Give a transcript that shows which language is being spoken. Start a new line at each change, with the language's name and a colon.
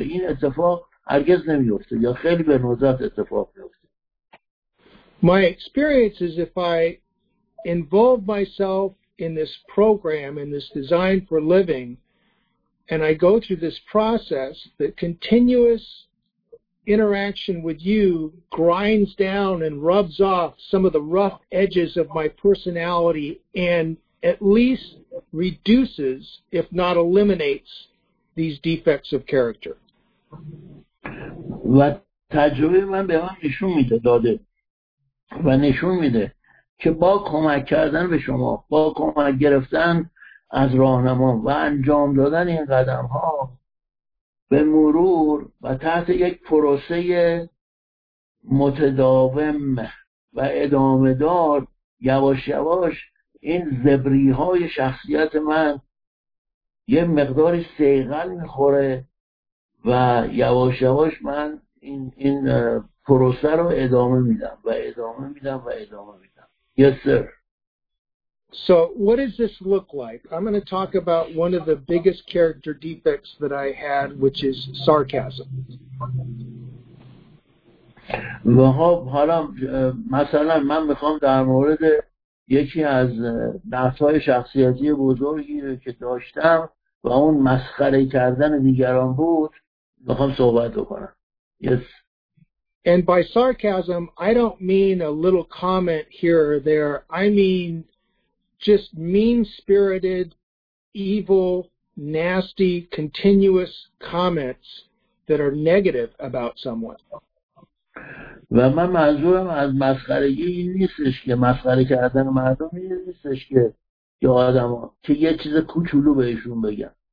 Persian: این اتفاق هرگز نمیفته یا خیلی به ندرت اتفاق میفته.
English: my experience is if I involve myself in this program, in this design for living, and I go through this process, the continuous interaction with you grinds down and rubs off some of the rough edges of my personality and at least reduces, if not eliminates, these defects of character.
Persian: و تجربه من به من نشون میده داده و نشون میده که با کمک کردن به شما، با کمک گرفتن از راهنما و انجام دادن این قدم ها به مرور و تحت یک پروسه متداوم و ادامه دار یواش یواش این زبری های شخصیت من یه مقدار سیغل میخوره و یواش یواش من این پروسه رو ادامه میدم و ادامه میدم و ادامه میدم.
English: Yes, sir. So what does this look like? I'm going to talk about one of the biggest character defects that I had, which is sarcasm.
Persian: و حالا مثلا من میخوام در مورد یکی از نقطه‌های شخصیتی بزرگی که داشتم و اون مسخره کردن دیگران بود میخوام صحبت بکنم.
English: Yes. And by sarcasm, I don't mean a little comment here or there. I mean just mean-spirited, evil, nasty, continuous comments that are negative about someone.
Persian: و من منظورم از مسخرگی این نیستش که مسخره کردن مردم این نیستش که یه آدم ها که یه چیز کوچولو بهشون بگم.